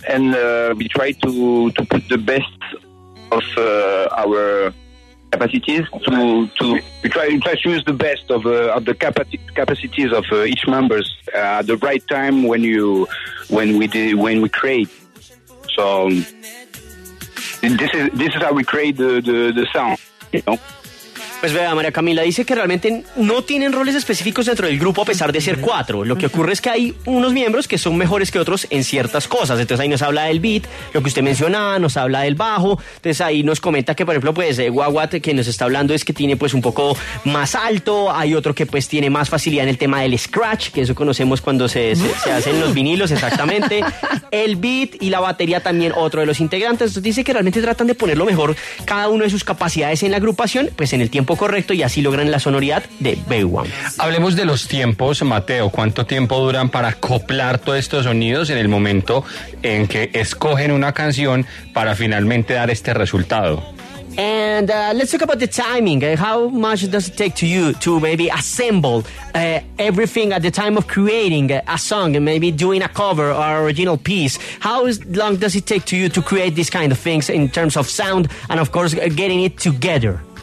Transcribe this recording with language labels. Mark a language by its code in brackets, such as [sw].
[en] And we try to put the best of our capacities to try to use the best of the capacities of each members at the right time when we create. So this is how we create the sound, you know. [es] Pues vea, María Camila, dice que realmente no tienen roles específicos dentro del grupo a pesar de ser cuatro. Lo que ocurre es que hay unos miembros que son mejores que otros en ciertas cosas. Entonces ahí nos habla del beat, lo que usted mencionaba, nos habla del bajo. Entonces ahí nos comenta que, por ejemplo, pues Wawat, que nos está hablando, es que tiene pues un poco más alto. Hay otro que pues tiene más facilidad en el tema del scratch, que eso conocemos cuando se hacen los vinilos, exactamente. El beat y la batería también, otro de los integrantes. Entonces dice que realmente tratan de poner lo mejor cada uno de sus capacidades en la agrupación, pues en el tiempo correcto, y así logran la sonoridad de Baywan. Hablemos de los tiempos, Mateo. ¿Cuánto tiempo duran para acoplar todos estos sonidos en el momento en que escogen una canción para finalmente dar este resultado? [en] And let's talk about the timing. How much does it take to you to maybe assemble everything at the time of creating a song and maybe doing a cover or original piece? How long does it take to you to create these kind of things in terms of sound and of course getting it together?